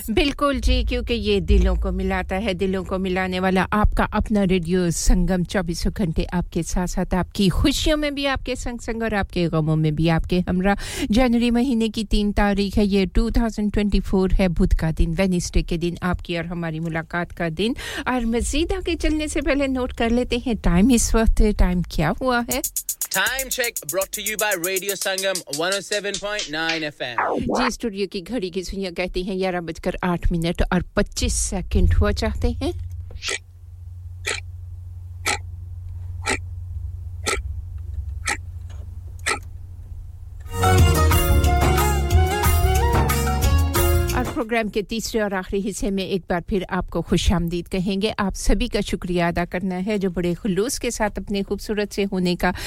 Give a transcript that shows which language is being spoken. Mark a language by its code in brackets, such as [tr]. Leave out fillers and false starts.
[ur] بالکل جی کیونکہ یہ دلوں کو ملاتا ہے دلوں کو ملانے والا آپ کا اپنا ریڈیو سنگم چوبیسوں گھنٹے آپ کے ساتھ ساتھ آپ کی خوشیوں میں بھی آپ کے سنگ سنگ اور آپ کے غموں میں بھی آپ کے ہمراہ جنوری مہینے کی 3 تاریخ ہے یہ 2024 ہے بدھ کا دن وینسڈے کے دن آپ کی اور ہماری ملاقات کا دن اور مزید آگے چلنے سے پہلے نوٹ کر لیتے ہیں ٹائم اس وقت ٹائم کیا ہوا ہے [en] Time check brought to you by Radio Sangam 107.9 FM. [ur] جی studio کی گھڑی کی سوئیاں کہتی ہیں 11:08:25 ہوا چاہتے ہیں پروگرام کے تیسرے اور آخری حصے میں ایک بار پھر آپ کو خوش آمدید کہیں گے آپ سبھی کا شکریہ ادا کرنا ہے جو بڑے خلوص کے ساتھ اپنے خوبصورت سے ہونے کا